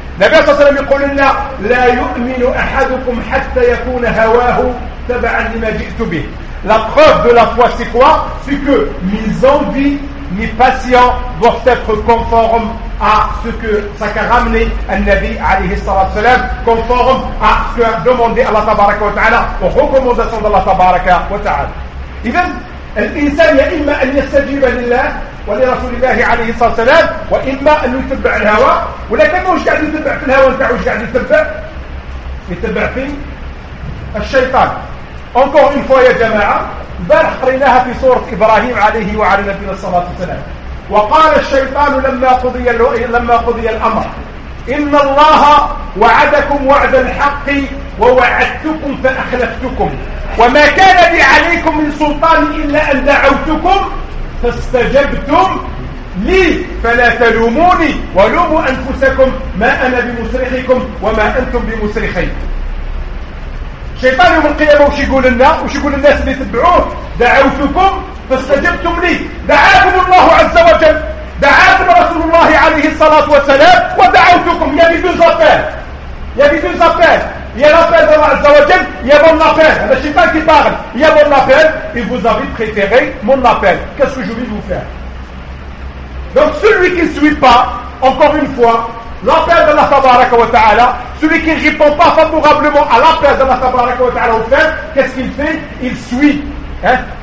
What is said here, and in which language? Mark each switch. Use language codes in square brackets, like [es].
[ar] النبي صلى الله عليه وسلم يقول لنا لا يؤمن أحدكم حتى يكون هواه تبعا لما جئت به. [fr] La preuve de la foi c'est quoi? C'est que mes envies, mes passions doivent être conformes à ce que ça a ramené un Nabi alayhi salatu salam, conforme à ce qu'a demandé Allah tabaraka wa ta'ala aux recommandations d'Allah tabaraka wa ta'ala. [ar] Even الإنسان يا إما أن يستجيب لله ولرسول الله عليه الصلاة والسلام وإما أن يتبع الهوى ولكن واش قاعد يتبع في الهوى نتاعو واش قاعد يتبع يتبع في الشيطان [fr] encore une fois [ar] يا جماعة البارح قريناها في سورة إبراهيم عليه وعلى نبينا الصلاة والسلام وقال الشيطان لما قضي الأمر إن الله وعدكم وعد الحق ووعدتكم فأخلفتكم وما كان لي عليكم من سلطان إلا أن دعوتكم فاستجبتم لي فلا تلوموني ولوموا أنفسكم ما أنا بمصرخكم وما أنتم بمصرخي شيطان يوم القيامة وش يقول لنا وش يقول الناس اللي تبعوه دعوتكم فاستجبتم لي دعاكم الله عز وجل دعاكم رسول الله عليه الصلاة والسلام ودعوتكم يبي بزفان يبي بزفان [fr] Il y a l'appel d'Allah Azza wa Jal, il y a mon appel. Le Shaitan qui parle. Il y a mon appel et vous avez préféré mon appel. Qu'est-ce que je vais vous faire? Donc celui qui ne suit pas, encore une fois, l'appel d'Allah Tabaraka wa Ta'ala, celui qui ne répond pas favorablement à l'appel d'Allah Tabaraka wa Ta'ala au fait, qu'est-ce qu'il fait? Il suit. Hein?